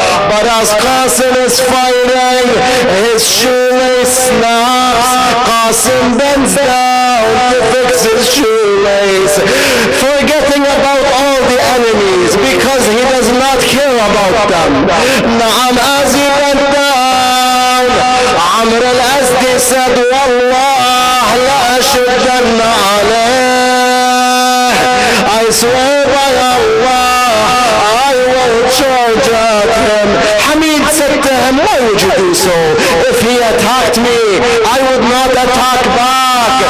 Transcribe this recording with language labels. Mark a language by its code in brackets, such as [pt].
[en] But as Qasim is fighting, his shoelace snaps. Qasim bends down to fix his shoelace, forgetting about all the enemies because he does not care about them. Naam, as he bent down, Amr al-Azdi [ar] الأسد والله لا أشدن عليه. [en] I swear by Allah, I will charge at him. Hamid said to him, why would you do so? If he attacked me, I would not attack back.